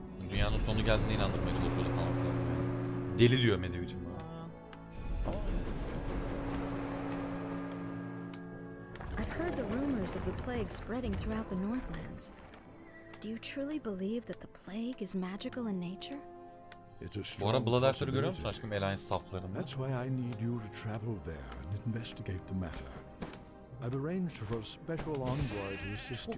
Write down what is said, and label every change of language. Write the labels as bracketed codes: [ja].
[tr] Dünyanın sonu geldiğine inandırmaya çalışıyordu falan filan. Deli diyor Medivh'cim bana. [en] I've heard the rumors of the plague spreading throughout the Northlands. Do you truly believe that the plague is magical in nature? [tr] Bu ara Blood Archer'ı görüyor musun aşkım, Alliance saflarında? [en] That's why I need you to travel there and investigate the matter. I've arranged for a special envoy to assist you.